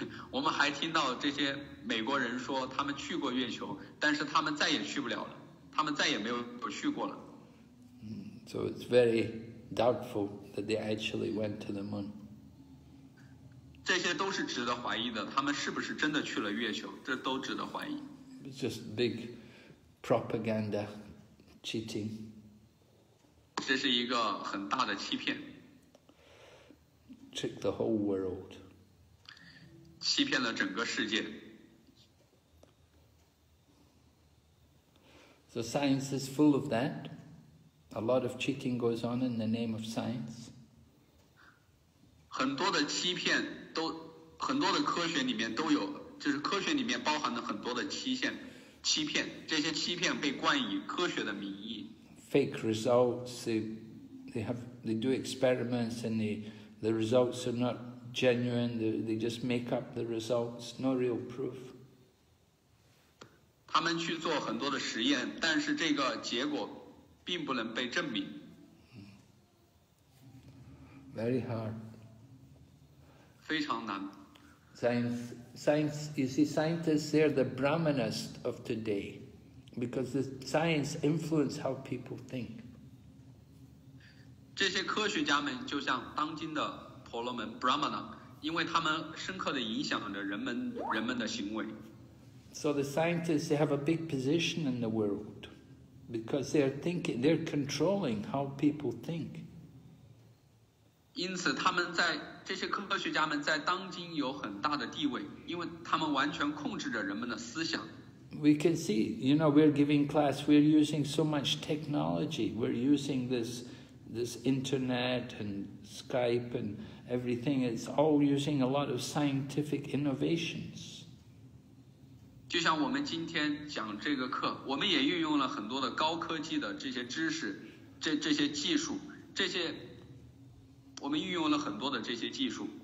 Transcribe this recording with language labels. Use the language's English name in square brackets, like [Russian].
[Chinese] 我们还听到这些美国人说他们去过月球，但是他们再也去不了了，他们再也没有去过了。 [English] So it's very doubtful that they actually went to the moon. [Chinese] 这些都是值得怀疑的，他们是不是真的去了月球，这都值得怀疑。 [English] It's just big propaganda cheating. [Chinese] 这是一个很大的欺骗。 [English] Trick the whole world. [Chinese] 欺骗了整个世界。 [English] So science is full of that. A lot of cheating goes on in the name of science. [Chinese] 很多的欺骗都，很多的科学里面都有，就是科学里面包含了很多的欺骗，这些欺骗被冠以科学的名义。 [English] Fake results, they do experiments and the results are not genuine, they just make up the results, no real proof. [Chinese] 他们去做很多的实验，但是这个结果并不能被证明。 [English] Very hard. [Chinese] 非常难。 [English] Science, you see, scientists, they're the Brahmanas of today, because the science influence how people think. [Chinese] 这些科学家们就像当今的婆罗门 Brahmana, 因为他们深刻地影响着人们的行为。 [English] So the scientists, they have a big position in the world because they're thinking, they're controlling how people think. [Chinese] 因此他们在，这些科学家们在当今有很大的地位，因为他们完全控制着人们的思想。 [English] We can see, you know, we're giving class, we're using so much technology. We're using this internet and Skype and everything. It's all using a lot of scientific innovations. [Chinese] 就像我们今天讲这个课，我们也运用了很多的高科技的这些知识，这些技术，这些我们运用了很多的这些技术，